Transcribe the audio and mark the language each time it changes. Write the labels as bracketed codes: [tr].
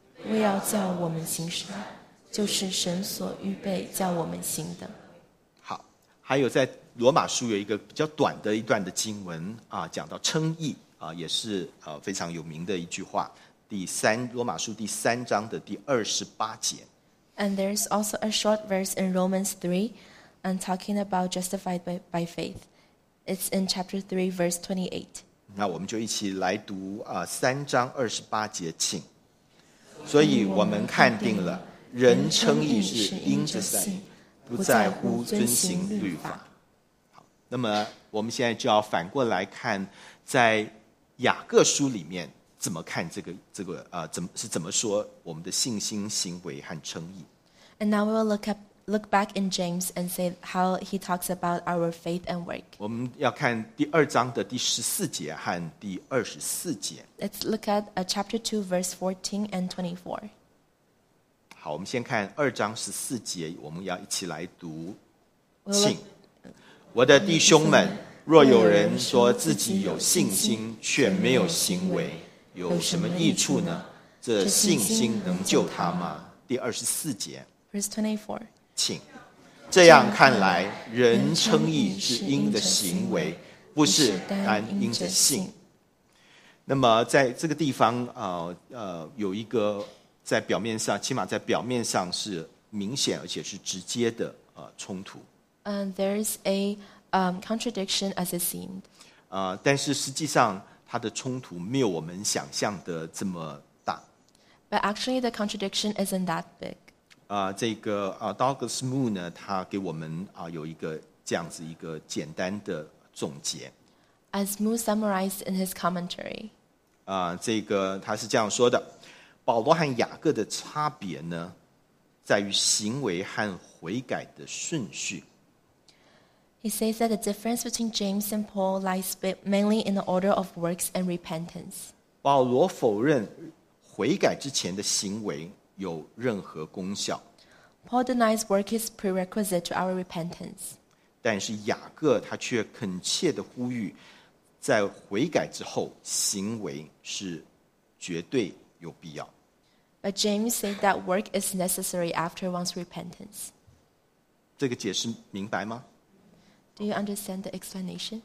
[zh] 为要叫我们行事，就是神所预备叫我们行的。好，还有在罗马书有一个比较短的一段的经文啊，讲到称义啊，也是非常有名的一句话，罗马书第三章的第28节。 [en] And there is also a short verse in Romans 3, and talking about justified by faith. It's in chapter 3, verse 28. [zh] 那我们就一起来读3章28节，请。所以我们看定了，人称义是因着信，不在乎遵行律法。好，那么我们现在就要反过来看，在雅各书里面怎么看怎么说我们的信心、行为和称义。 [en] And now we will look back in James and say how he talks about our faith and work. [zh] 我们要看第二章的第14节和第24节。 [en] Let's look at chapter 2, verse 14 and 24. [zh] 好，我们先看2章14节，我们要一起来读。请，我的弟兄们，若有人说自己有信心却没有行为，有什么益处呢？这信心能救他吗？第24节。 [en] Verse 24. [zh] 请，这样看来，人称义是因的行为，不是单因的信。那么在这个地方，有一个在表面上，起码在表面上是明显而且是直接的冲突。 [en] And there's a contradiction as it seemed. [zh] 但是实际上它的冲突没有我们想象的这么大。 [en] But actually, the contradiction isn't that big. [zh] Douglas Moo 呢，他给我们有一个这样子一个简单的总结。 [en] As Moo summarized in his commentary. [zh] 他是这样说的：保罗和雅各的差别呢，在于行为和悔改的顺序。 [en] He says that the difference between James and Paul lies mainly in the order of works and repentance. [zh] 保罗否认悔改之前的行为有任何功效。 [en] Paul denies work is prerequisite to our repentance. [zh] 但是雅各他却恳切地呼吁，在悔改之后，行为是绝对有必要。 [en] But James said that work is necessary after one's repentance. [zh] 这个解释明白吗？ [en] Do you understand the explanation?